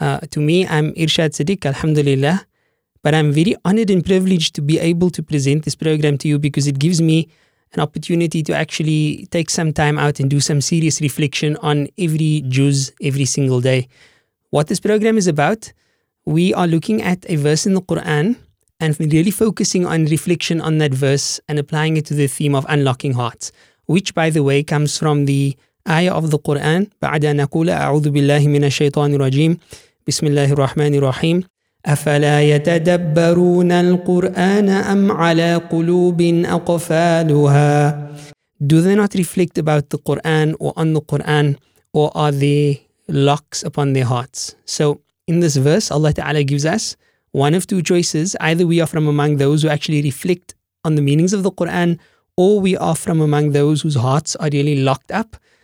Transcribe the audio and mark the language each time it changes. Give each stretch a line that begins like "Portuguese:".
English: To me, I'm Irshad Siddiq, alhamdulillah. But I'm very honored and privileged to be able to present this program to you because it gives me an opportunity to actually take some time out and do some serious reflection on every juz, every single day. What this program is about, we are looking at a verse in the Quran and really focusing on reflection on that verse and applying it to the theme of unlocking hearts, which, by the way, comes from the ayah of the Quran.
Arabic: بعد أن أقول أعوذ بالله من الشيطان الرجيم بسم الله الرحمن الرحيم أَفَلَا يَتَدَبَّرُونَ الْقُرْآنَ أَمْ عَلَى قُلُوبٍ أَقْفَالُهَا.
English: Do they not reflect about the Quran or on the Quran, or are they locks upon their hearts? So in this verse, Allah Ta'ala gives us one of two choices. Either we are from among those who actually reflect on the meanings of the Quran, or we are from among those whose hearts are really locked up.